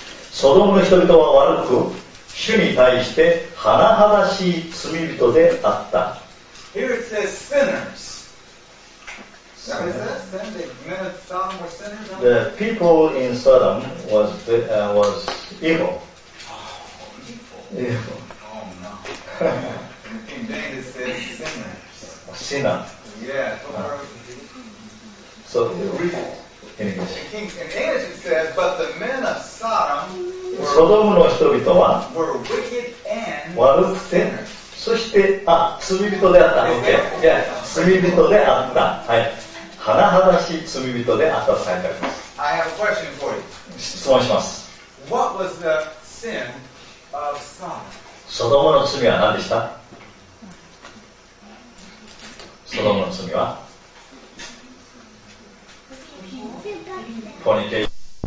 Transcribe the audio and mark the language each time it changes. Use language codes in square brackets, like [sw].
[ja] ソドムの人々は悪く、主に対して甚だしい罪人であった。 [en] Here it says sinners. Now, is that sin? The men of Sodom were sinners? No? The people in Sodom was, was evil. Oh, evil. Evil. Oh, no. King David said sinners. Sinner. Yeah. So, evil. In English it says, but the men of Sodom were, [ja] Sodomの人々は [en] wicked and [ja] 悪くて sinners. そして、あ、罪人であった。 OK。 いや、罪人であった。はい。甚だしい罪人であったと書いてあります。 [en] I have a question for you. [ja] 質問します。 [en] What was the sin of Sodom? [ja] ソドムの罪は何でした？ソドムの罪は？ポニケーション。